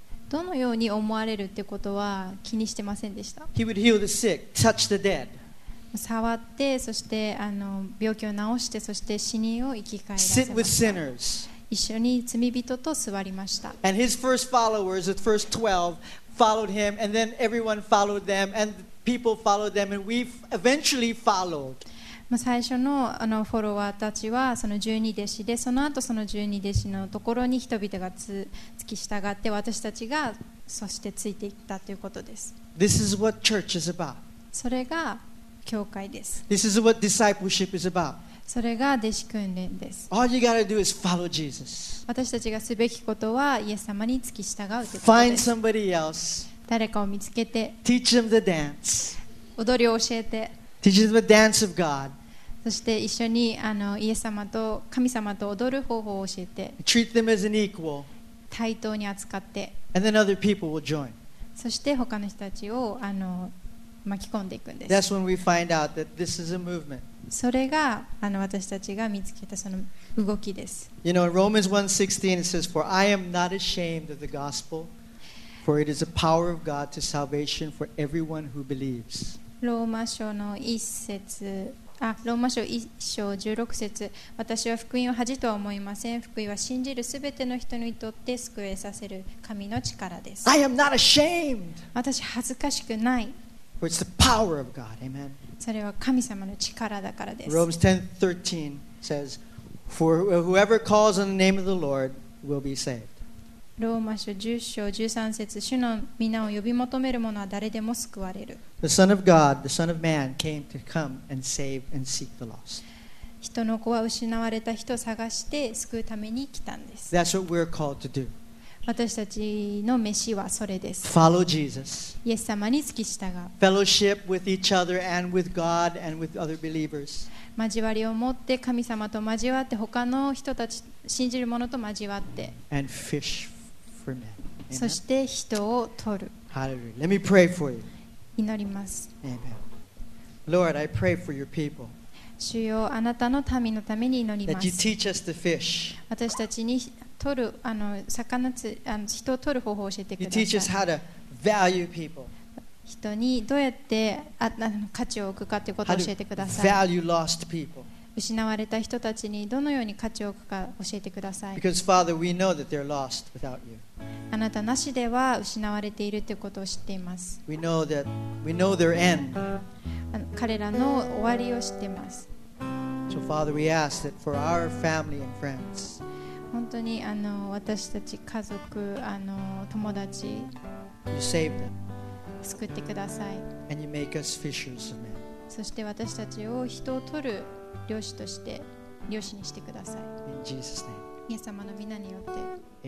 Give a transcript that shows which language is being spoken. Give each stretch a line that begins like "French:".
Japanese: どのように思われるってことは気にしてませんでした。
English: He would heal the sick, touch the dead.
Japanese: 触って、そしてあの病気を治して、そして死人を生き返らせました。
English: Sit with sinners.
Japanese: 一緒に罪人と座りました。
English: And his first followers, the first 12, followed him, and then everyone followed them, and people followed them, and we eventually followed.
Japanese: 最初 の, あのフォロワーたちはその十二弟子で、その後その十二弟子のところに人々が付き従って、私たちがそしてついていったということです。
English: This is what church is about.
Japanese: それが教会です。
English: This is what discipleship is about.
Japanese: それが弟子訓練です。
English: All you gotta do is follow Jesus.
Japanese: 私たちがすべきことはイエス様に付き従うということです。
English: Find somebody else.
Japanese: 誰かを見つけて、
English: Teach them the dance.
Japanese: 踊りを教えて、
English: Teach them the dance of God.
Japanese: そして一緒にあのイエス様と神様と踊る方法を教えて、
English: Treat them as an equal.
Japanese: 対等に扱って、
English: And then other people will join.
Japanese: そして他の人たちをあの巻き込んでいくんです。
English: That's when we find out that this is a movement.
Japanese: それがあの私たちが見つけたその動きです。
English: You know, in Romans 1:16 it says, For I am not ashamed of the gospel, for it is the power of God to salvation for everyone who believes.
Japanese: ローマ書の一節、あ、ローマ書一章十六節、私は福音を恥とは思いません。福音は信じるすべての人にとって救えさせる神の力です。
English: I am not ashamed.
Japanese: 私恥ずかしくない。
English: For it's the power of God. Amen.
Japanese: それは神様の力だからです。
English: Romans 10:13 says, For whoever calls on the name of the Lord will be saved.
Japanese: ローマ書10章13節、主の皆を呼び求める者は誰でも救われる。
English: The Son of God, the Son of Man came to come and save and seek the lost.
Japanese: 人の子は失われた人を探して救うために来たんです。
English: That's what we're called to do.
Japanese: 私たちの召しはそれです。
English: Follow Jesus.
Japanese: イエス様に付き従う。
English: Fellowship with each other and with God and with other believers.
Japanese: 交わりを持って、神様と交わって、他の人たち、信じる者と交わって、
English: And fish for men. Amen.
Japanese: そして人を取る。
English: Hallelujah. Let me pray for you.
Japanese: 祈ります。
English: Amen. Lord, I pray for your people.
Japanese: 主よ、あなたの民のために祈ります。
English: That you teach us the fish.
Japanese: 私たちに取るあの魚つあの人を取る方法を教えてください。
English: You teach us how to value people.
Japanese: 人にどうやってあの価値を置くかということを教えてください。
English: How to value lost people.
Japanese: 失われた人たちにどのように価値を置くか教えてください。
English: Because Father, we know that they're lost without you.
Japanese: あなたなしでは失われているということを知っています。
English: We know that we know their end.
Japanese: 彼らの終わりを知っています。
English: So Father, we ask that for our family and friends.
Japanese: 本当にあの私たち家族あの友達。
English: You save them.
Japanese: 救ってください。
English: And you make us fishers of men.
Japanese: そして私たちを人を取る漁師として漁師にしてください。
English: In Jesus name.
Japanese: イエス様の皆によって。